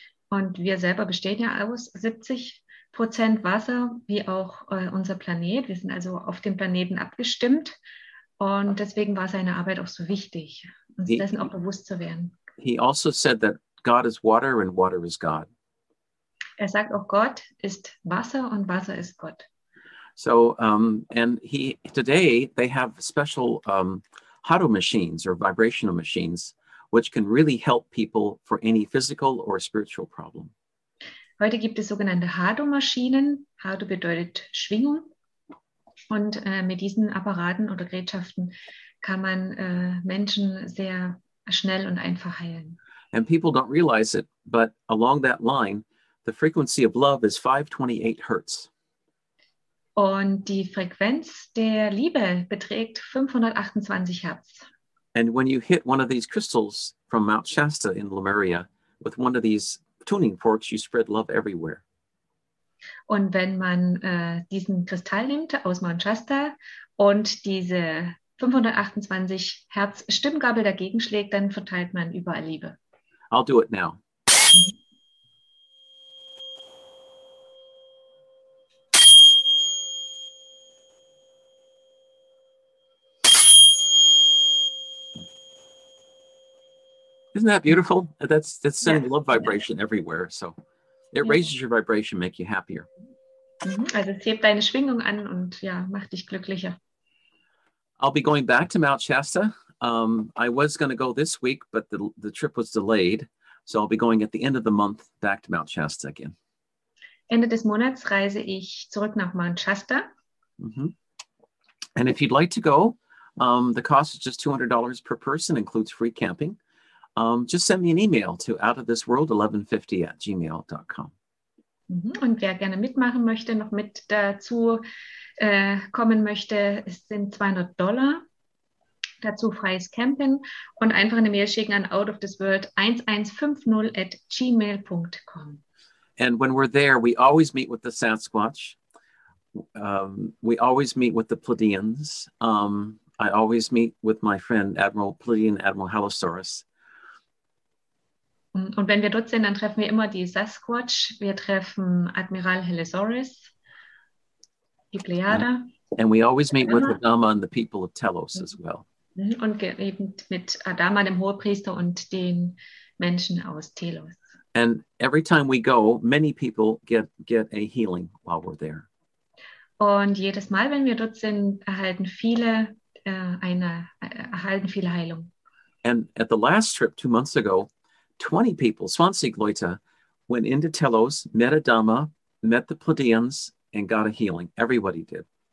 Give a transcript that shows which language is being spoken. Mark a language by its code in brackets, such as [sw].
[de] Und wir selber bestehen ja aus 70% Wasser, wie auch unser Planet. Wir sind also auf dem Planeten abgestimmt. Und deswegen war seine Arbeit auch so wichtig, uns dessen auch bewusst zu werden. [en] He also said that God is water and water is God. [de] Er sagt auch, Gott ist Wasser und Wasser ist Gott. [en] So, and he, today they have special Hado machines or vibrational machines, which can really help people for any physical or spiritual problem. [de] Heute gibt es sogenannte Hado-Maschinen. Hado bedeutet Schwingung. Und mit diesen Apparaten oder Gerätschaften kann man Menschen sehr schnell und einfach heilen. [en] And people don't realize it, but along that line, the frequency of love is 528 Hertz. [de] Und die Frequenz der Liebe beträgt 528 Hertz. [en] And when you hit one of these crystals from Mount Shasta in Lemuria with one of these tuning forks, you spread love everywhere. [de] Und wenn man diesen Kristall nimmt aus Mount Shasta und diese 528 Hertz Stimmgabel dagegen schlägt, dann verteilt man überall Liebe. [en] I'll do it now. Isn't that beautiful? That's sending love vibration everywhere, so. It raises your vibration, make you happier. [de] Also es hebt deine Schwingung an und ja, macht dich glücklicher. [en] I'll be going back to Mount Shasta. I was going to go this week, but the trip was delayed. So I'll be going at the end of the month back to Mount Shasta again. [de] Ende des Monats reise ich zurück nach Mount Shasta. [en] And if you'd like to go, the cost is just $200 per person, includes free camping. Just send me an email to outofthisworld1150@gmail.com. [de] Und wer gerne mitmachen möchte, noch mit dazu kommen möchte, es sind $200. Dazu freies Campen und einfach eine Mail schicken an outofthisworld1150@gmail.com. [en] And when we're there, we always meet with the Sasquatch. We always meet with the Pleiadians. I always meet with my friend Admiral Pleiadian, Admiral Halosaurus. [de] Und wenn wir dort sind, dann treffen wir immer die Sasquatch, wir treffen Admiral Halosaurus, die Pleiade. [en] And we always meet with Adama and the people of Telos as well. [de] Und eben mit Adama, dem Hohepriester, und den Menschen aus Telos. [en] And every time we go, many people get a healing while we're there. [de] Und jedes Mal, wenn wir dort sind, erhalten viele Heilung. [en] And at the last trip 2 months ago, 20 people, Swansea Gloita, went into Telos, met Adama, met the Pleiadians, and got a healing. Everybody did.